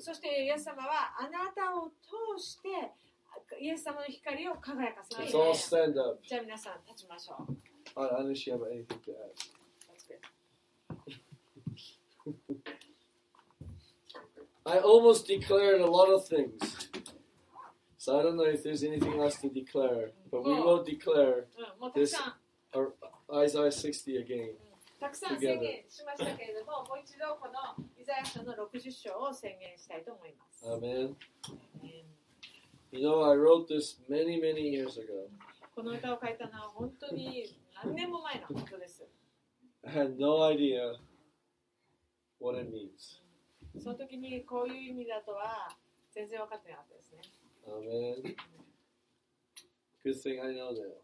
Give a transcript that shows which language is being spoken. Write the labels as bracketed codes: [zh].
[ja] そしてイエス様はあなたを通してイエス様の光を輝かせます。 [en] Let's all stand up. [ja] じゃあ皆さん立ちましょう。 [en] All right, unless you have anything to add. That's good. I almost declared a lot of things. So I don't know if there's anything else to declare. But we will declare this Isaiah 60 again. [ja] たくさん宣言しましたけれども、もう一度このイザヤ書の60章を宣言したいと思います。アーメン。 [en] You know, I wrote this many, many years ago. [ja] この歌を書いたのは本当に何年も前のことです。 [en] I had no idea what it means. [ja] その時にこういう意味だとは全然分かってなかったですね。 [en] アーメン。Good thing I know that.